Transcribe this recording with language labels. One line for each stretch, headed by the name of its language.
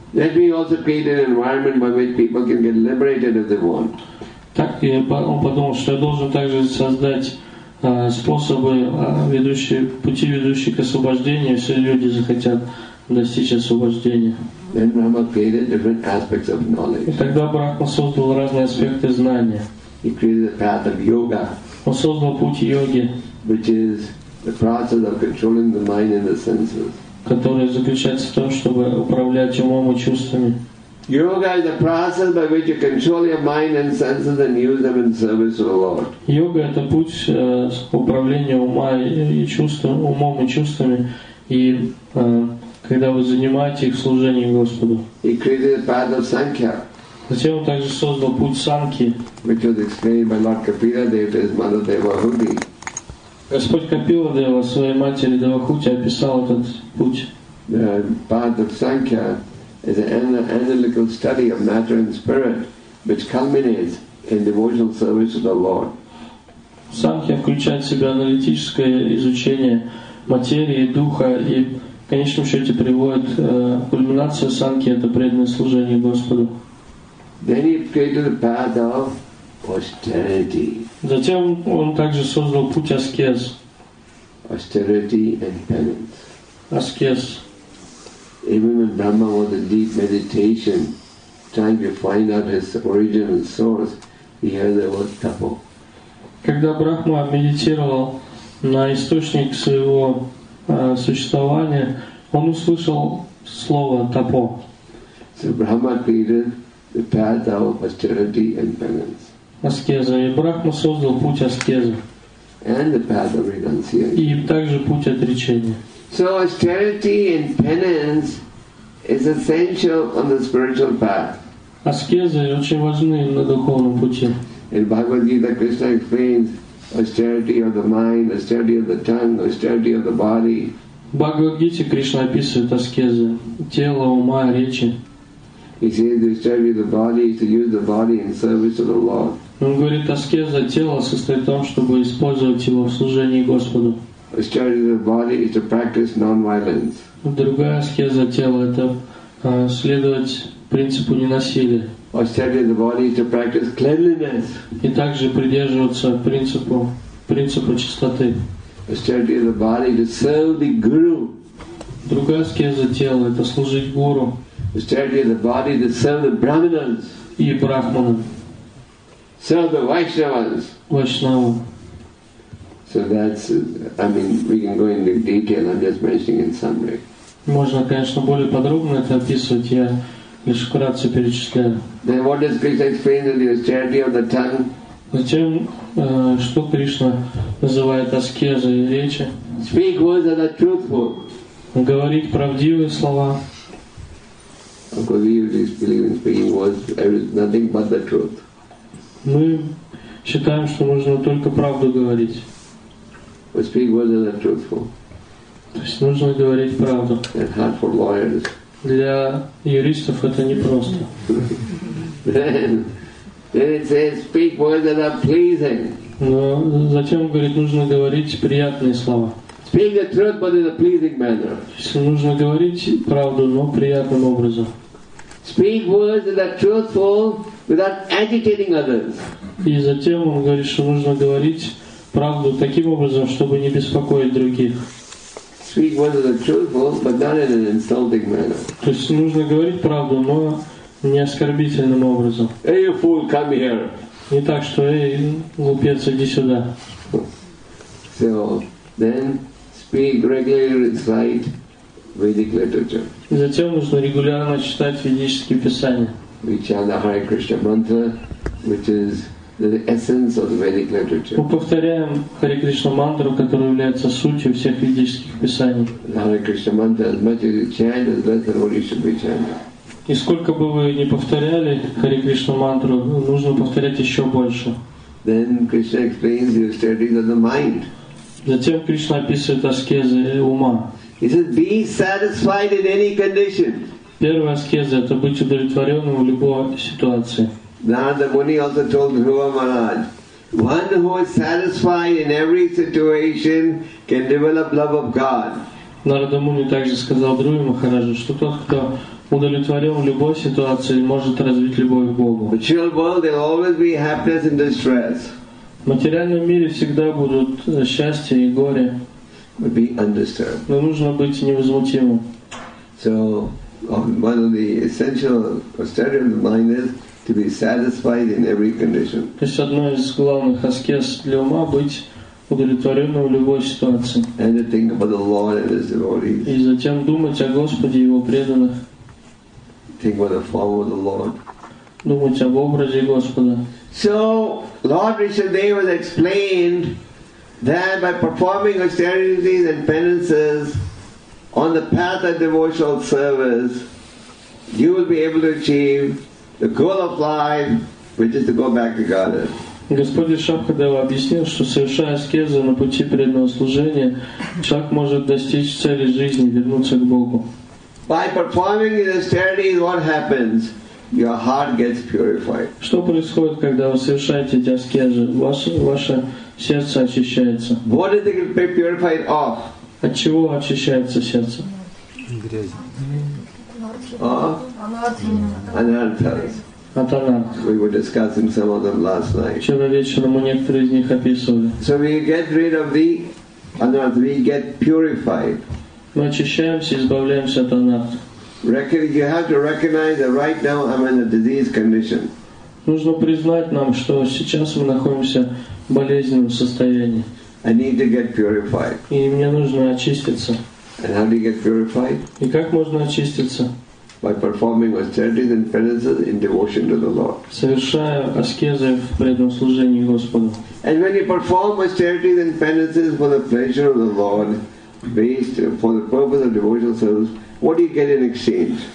Russian: Так он подумал, что я должен также создать способы, ведущие, пути, ведущие к освобождению, если люди захотят достичь освобождения.
English: Then Brahma created different aspects of knowledge.
Russian: И тогда Брахма создал разные аспекты знания.
English: He created the path of yoga.
Russian: Он создал путь йоги,
English: which is the process of controlling the mind and the senses.
Russian: Который заключается в том, чтобы управлять умом и чувствами.
English: Yoga is the process by which you control your mind and senses and use them in service of the Lord.
Russian: Йога это путь управления ума и чувством, умом и чувствами, и когда вы занимаете их в служении Господу.
English: He created the path of Sankhya.
Russian: Затем он также создал путь Санки.
English: Which was explained by Lord Kapiladeva as Mother Devahuti.
Russian: Господь Капиладева своей матери Девахути описал этот путь.
English: The path of Sankhya is an analytical study of matter and spirit, which culminates in devotional service to the Lord.
Russian: Санкхья включает в себя аналитическое изучение материи, духа и в конечном счете приводит кульминацию Санкхи, это преданное служение Господу.
English: Then he created the path of austerity.
Russian: Затем он также создал путь аскез.
English: Austerity and penance.
Russian: Аскез.
English: Even when Brahma was in deep meditation, trying to find out his origin and source, he heard the word tapo.
Russian: Когда Брахма медитировал на источник своего существования, он услышал слово тапо.
English: So Brahma created the path of austerity and penance.
Russian: Аскеза. И Брахма создал путь аскезы.
English: And the path of renunciation.
Russian: И также путь отречения.
English: So austerity and penance is essential on the spiritual path.
Russian: Аскезы очень важны на духовном пути.
English: In Bhagavad Gita, Krishna explains austerity of the mind, austerity of the tongue, austerity of the body.
Russian: В Бхагавад Гите Кришна описывает аскезы тела, ума, речи.
English: He says the austerity of the body is to use the body in service of the Lord.
Russian: Он говорит, аскеза тела состоит в том, чтобы использовать его в служении Господу.
English: Austerity of the body is to practice non-violence.
Russian: Другая аскеза тела – это следовать принципу ненасилия.
English: Austerity of the body is to practice cleanliness.
Russian: И также придерживаться принципу чистоты.
English: Austerity of the body is to serve the guru.
Russian: Другая аскеза тела – это служить гуру.
English: Austerity of the body is to serve the brahmanas.
Russian: И брахманам.
English: Serve the vaishnavas.
Russian: Vaishnava.
English: So that's, we can go into detail. I'm just mentioning in summary.
Russian: Можно, конечно, более подробно это описывать. Я лишь вкратце перечисляю.
English: Then what does Krishna explain in the austerity of the tongue?
Russian: Затем, что Кришна называет аскезой речи?
English: Speak words that are truthful.
Russian: Говорить правдивые слова.
English: Because we usually believe in speaking words, nothing but the truth.
Russian: Мы считаем, что нужно только правду говорить.
English: We speak words that are truthful.
Russian: То есть нужно говорить правду.
English: And hard for lawyers.
Russian: Для юристов это непросто.
English: Then it says, speak words that are pleasing.
Russian: Но затем, говорит, нужно говорить приятные слова.
English: Speak the truth, but in a pleasing manner.
Russian: То есть нужно говорить правду, но приятным образом.
English: Speak words that are truthful without agitating others.
Russian: И затем он говорит, что нужно говорить правду таким образом, чтобы не беспокоить других.
English: Speak words that are truthful, but not in an insulting manner.
Russian: То есть нужно говорить правду, но не оскорбительным образом.
English: Hey, you fool, come here.
Russian: Не так, что, эй, глупец, иди сюда.
English: So, then, speak regularly, recite Vedic literature.
Russian: И затем нужно регулярно читать ведические писания.
English: We chant the Hare Krishna mantra, which is the essence of the Vedic literature.
Russian: Мы повторяем Hare Krishna mantra, которая является сутью всех ведических писаний.
English: The Hare Krishna mantra, as much as you chant, as less than what you should be chanting.
Russian: И сколько бы вы ни повторяли Hare Krishna mantra, нужно повторять еще больше.
English: Then Krishna explains the austerities of the mind.
Russian: Затем Кришна описывает аскезы ума.
English: He says, be satisfied in any condition.
Russian: Первая аскеза – это быть удовлетворенным в любой ситуации.
English: Narada Muni also told Dhruva Maharaj, one who is satisfied in every situation can develop love of God.
Russian: Narada Muni также сказал Дхруве Махараджу, что тот, кто удовлетворен в любой ситуации, может развить любовь к Богу.
English: The material world, there will always be happiness and distress.
Russian: В материальном мире всегда будут счастье и горе.
English: Be undisturbed.
Russian: Но нужно быть невозмутимым.
English: So, one of the essential austerity of the mind is to be satisfied in every condition.
Russian: То есть одно из главных аскез для ума быть удовлетворенным в любой ситуации.
English: And to think about the Lord and His devotees.
Russian: И затем думать о Господе и Его преданных.
English: Think about the form of the Lord.
Russian: Думать об образе Господа.
English: So, Lord Rishabhadeva explained that by performing austerities and penances on the path of devotional service, you will be able to achieve The goal of life, which is to go back to Godhead.
Russian: Господь Шабхадева объяснил, что совершая аскезу на пути преданного служения, человек может достичь цели жизни, вернуться к Богу.
English: By performing in austerity, what happens? Your heart gets purified.
Russian: Что происходит, когда вы совершаете эти аскезы? Ваше сердце очищается.
English: What is it purified of?
Russian: От чего очищается сердце? Грязь.
English: Anartha. We were discussing some of them last night.
Russian: Вчера вечером мы некоторые из них описывали.
English: So we get rid of the anartha. We get purified.
Russian: Мы очищаемся, избавляемся от анартха.
English: You have to recognize that right now I'm in a disease condition.
Russian: Нужно признать нам, что сейчас мы находимся в болезненном состоянии.
English: I need to get purified.
Russian: И мне нужно очиститься.
English: And how do you get purified?
Russian: И как можно очиститься?
English: By performing austerities and penances in devotion to the Lord.
Russian: Совершая аскезы в преданном служении Господу.
English: And when you perform austerities and penances for the pleasure of the Lord, based for the purpose of devotional service, what do you get in exchange?